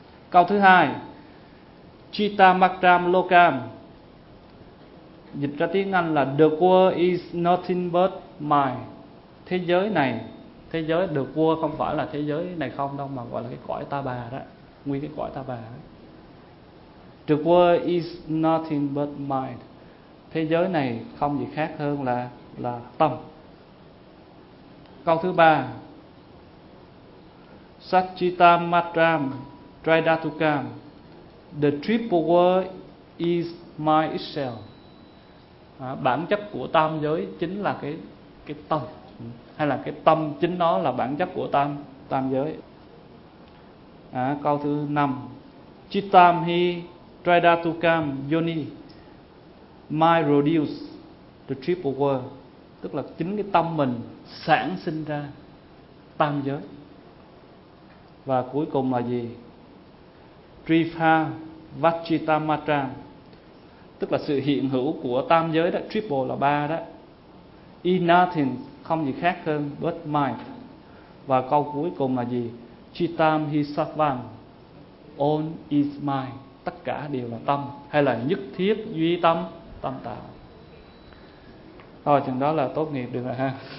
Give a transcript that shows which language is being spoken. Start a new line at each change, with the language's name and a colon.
Vietnamese: Câu thứ hai,
Sanskrit: Chita matram lokam.
Vietnamese: Dịch ra tiếng Anh là
English: the world is nothing but mind.
Vietnamese: Thế giới này, thế giới
English: the world
Vietnamese: không phải là thế giới này không đâu, mà gọi là cái cõi ta bà đó, nguyên cái cõi ta bà đó.
English: The world is nothing but mind.
Vietnamese: Thế giới này không gì khác hơn là tâm. Câu thứ ba,
Sanskrit: Satchita matram tridatukam.
English: The triple world is mind itself.
Vietnamese: Bản chất của tam giới chính là cái tâm, hay là cái tâm chính nó là bản chất của tam giới. Câu thứ năm,
Sanskrit: Chittam hi tridatukam yoni
English: my produce the triple world.
Vietnamese: Tức là chính cái tâm mình sản sinh ra tam giới. Và cuối cùng là gì?
Sanskrit: Tripha vachitamatram.
Vietnamese: Tức là sự hiện hữu của tam giới đó, triple là ba đó,
English: is nothing,
Vietnamese: không gì khác hơn
English: but mind.
Vietnamese: Và câu cuối cùng là gì?
Sanskrit: Chitam hi sattvam,
English: all is mind.
Vietnamese: Tất cả đều là tâm, hay là nhất thiết duy tâm, tâm tạo. Thôi chừng đó là tốt nghiệp được rồi ha.